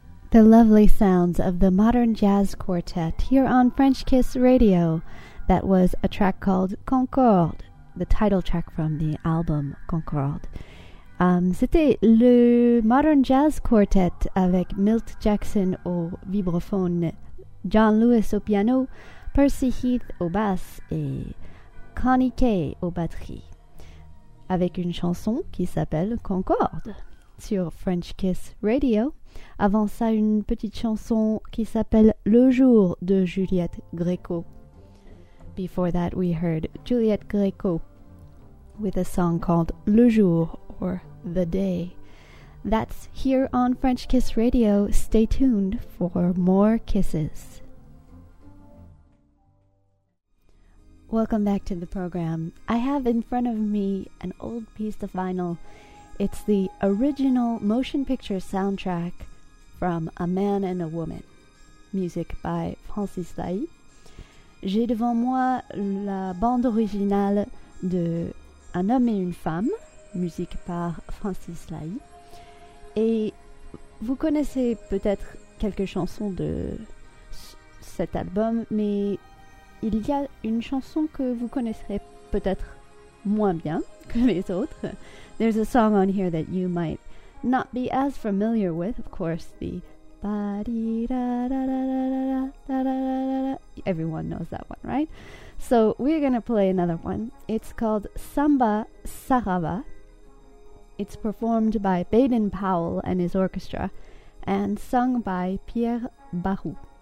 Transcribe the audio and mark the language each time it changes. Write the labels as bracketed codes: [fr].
[en] The lovely sounds of the Modern Jazz Quartet here on French Kiss Radio. That was a track called Concorde, the title track from the album Concorde. [fr] C'était le Modern Jazz Quartet avec Milt Jackson au vibraphone, John Lewis au piano, Percy Heath au basse et Connie Kay au batterie, avec une chanson qui s'appelle Concorde sur French Kiss Radio. Avant ça, une petite chanson qui s'appelle « Le jour » de Juliette Gréco. [en] Before that, we heard Juliette Gréco with a song called « Le jour » or « The day ». That's here on French Kiss Radio. Stay tuned for more kisses. Welcome back to the program. I have in front of me an old piece of vinyl. It's the original motion picture soundtrack from A Man and a Woman, music by Francis Lahi. [fr] J'ai devant moi la bande originale de Un homme et une femme, musique par Francis Lahi. Et vous connaissez peut-être quelques chansons de cet album, mais il y a une chanson que vous connaisserez peut-être moins bien que les autres. [en] There's a song on here that you might not be as familiar with, of course, the ba-dee-da-da-da-da-da-da-da-da-da-da. Everyone knows that one, right? So we're going to play another one. It's called Samba Saraba. It's performed by Baden Powell and his orchestra and sung by Pierre Barou.